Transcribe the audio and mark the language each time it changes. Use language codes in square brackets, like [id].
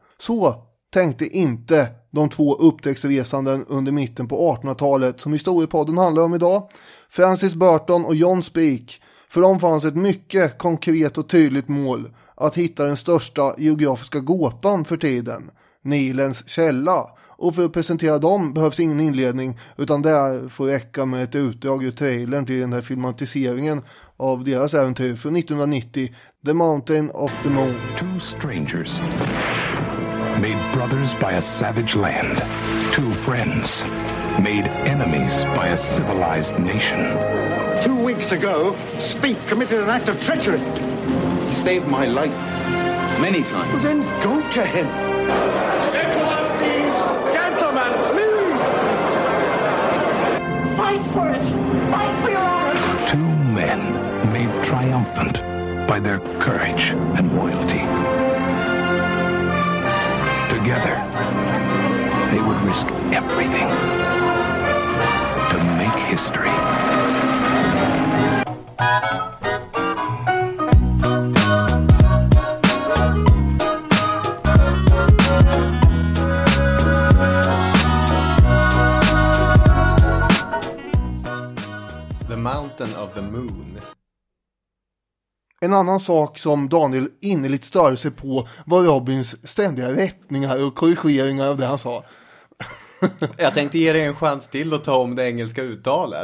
[sv] Så tänkte inte de två upptäcktsresanden under mitten på 1800-talet som historiepodden handlar om idag, Francis Burton och John Speak, för dem fanns ett mycket konkret och tydligt mål att hitta den största geografiska gåtan för tiden, Nilens källa. Och för att presentera dem behövs ingen inledning, utan det får räcka med ett utdrag ur trailern till den här filmatiseringen av deras äventyr från 1990, The Mountain of the Moon. [en] Two strangers made brothers by a savage land, two friends made enemies by a civilized nation. 2 weeks ago, Speak committed an act of treachery. He saved my life many times. Then go to him. Gentlemen, please, gentlemen, me. Fight for it. Fight for your honor. Two men made triumphant by their courage and loyalty. Together, they would risk everything to make history. The Mountain of the Moon. [sv] En annan sak som Daniel innerligt störde sig på var Robins ständiga rättningar och korrigeringar av det han sa. Jag tänkte ge dig en chans till att ta om det engelska uttalet.